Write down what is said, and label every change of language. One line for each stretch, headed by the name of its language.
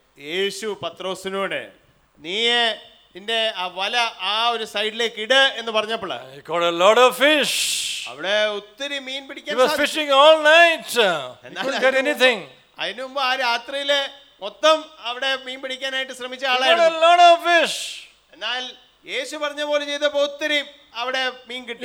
Malayalam: യേശു പത്രോസിനോട് നീ നിന്റെ ആ വല ആ ഒരു സൈഡിലേക്ക് ഇട എന്ന് പറഞ്ഞപ്പോൾ
English: he caught a lot of fish.
Malayalam: അവിടെ ഒത്തിരി മീൻ പിടിക്കാൻ,
English: he was fishing all night, he couldn't get anything.
Malayalam: അതിനു മുമ്പ് ആ രാത്രിയില് മൊത്തം അവിടെ മീൻ പിടിക്കാനായിട്ട് ശ്രമിച്ച ആളായിരുന്നു. എന്നാൽ യേശു പറഞ്ഞ പോലെ ചെയ്തപ്പോ ഒത്തിരി അവിടെ മീൻ കിട്ടി.